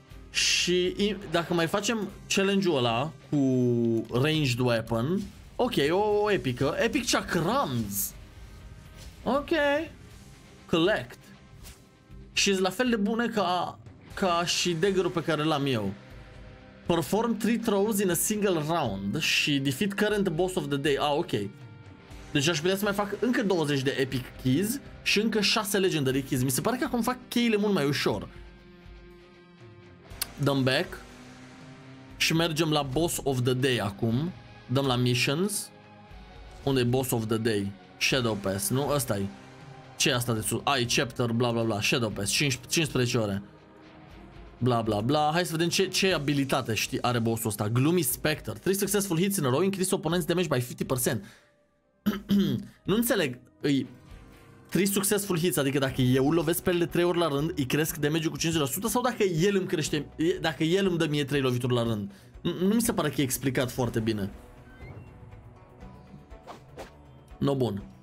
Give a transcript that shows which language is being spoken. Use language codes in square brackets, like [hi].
[ro] Și dacă mai facem challenge-ul ăla cu ranged weapon. Ok, o epică. Epic chakrams. Ok. Collect. Și la fel de bune ca și dagger-ul pe care l-am eu. [en] Perform 3 throws in a single round și defeat current boss of the day. Ah, ok. [ro] Deci aș putea să mai fac încă 20 de epic keys și încă 6 legendary keys. Mi se pare că acum fac cheile mult mai ușor. Dăm back și mergem la boss of the day acum. Dăm la missions. Unde e boss of the day? Shadow Pass, nu? Ăsta e. Ce e asta de sus? Ai chapter, bla bla bla. Shadow Pass, 15 ore. Bla bla bla. Hai să vedem ce abilitate știi are boss-ul ăsta. [en] Gloomy Spectre. 3 successful hits in a row, increase opponent's damage by 50%. [ro] Nu înțeleg. 3 successful hits, adică dacă eu îl lovesc pe el de 3 ori la rând, îi cresc damage-ul cu 50% sau dacă el îmi crește, dacă el îmi dă mie 3 lovituri la rând. Nu mi se pare că e explicat foarte bine. No, bun.